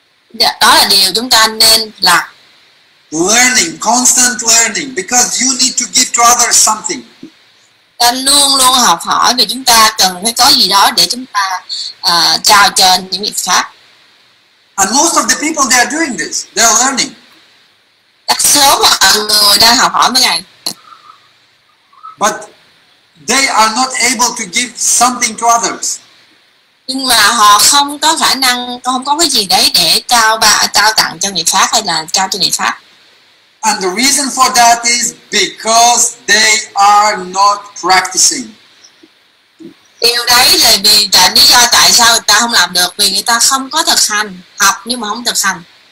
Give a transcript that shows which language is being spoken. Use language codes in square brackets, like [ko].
[vi] Đó là điều chúng ta nên làm. [en] Learning, constant learning, because you need to give to others something. [vi] Ta luôn luôn học hỏi vì chúng ta cần phải có gì đó để chúng ta trao cho những người khác. [en] And most of the people they are doing this, they are learning. [vi] Đa số người đang học hỏi mỗi ngày. [en] But they are not able to give something to others. [vi] Nhưng mà họ không có khả năng, không có cái gì đấy để trao tặng cho người khác hay là trao cho người khác. [en] And the reason for that is because they are not practicing. [vi] Điều đấy là vì là lý do tại sao người ta không làm được, vì người ta không có thực hành, học nhưng mà không thực hành.